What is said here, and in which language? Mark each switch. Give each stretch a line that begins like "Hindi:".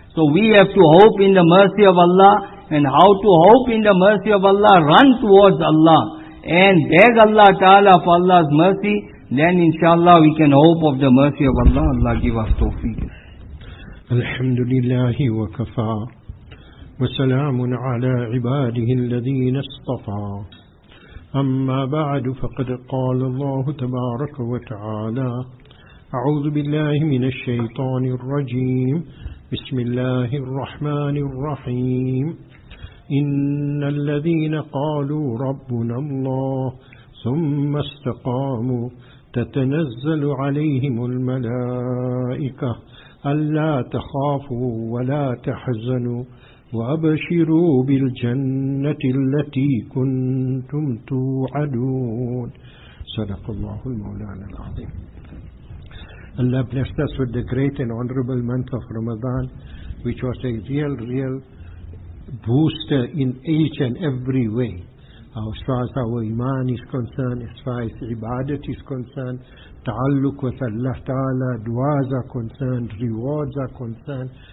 English: So we have to hope in the mercy of Allah. And how to hope in the mercy of Allah? Run towards Allah and beg Allah Ta'ala for Allah's mercy. Then inshallah we can hope of the mercy of Allah. Allah give us tawfiq.
Arabic: الحمد لله وكفى وسلام على عباده الذين اصطفى أما بعد فقد قال الله تبارك وتعالى أعوذ بالله من الشيطان الرجيم بسم الله الرحمن الرحيم إن الذين قالوا ربنا الله ثم استقاموا تتنزل عليهم الملائكة ألا تخافوا ولا تحزنوا وأبشروا بالجنة التي كنتم توعدون. صدق الله المولانا العظيم.
English: Allah blessed us with the great and honorable month of Ramadan, which was a real booster in each and every way. As far as our iman is concerned, as far as ibadat is concerned, ta'alluq with Allah Ta'ala, du'as are concerned, rewards are concerned.